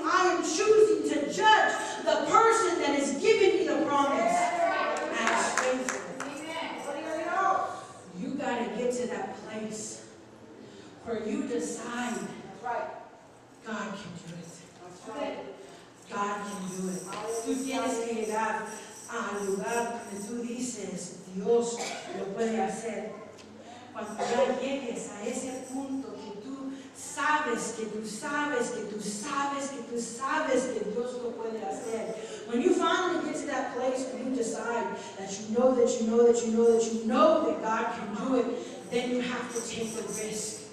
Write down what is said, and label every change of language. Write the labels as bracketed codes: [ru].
[en] I am choosing to judge the person that has given me the promise as faithful. You got to get to that place where you decide, God can do it. God can do it. [es] Tú tienes que llegar al lugar donde tú dices, Dios lo puede hacer. Cuando ya llegues a ese punto que tú sabes, que tú sabes, que tú sabes, que tú sabes que Dios lo puede hacer. [en] When you finally get to that place where you decide that you know that you know that you know that you know that God can do it, then you have to take a risk.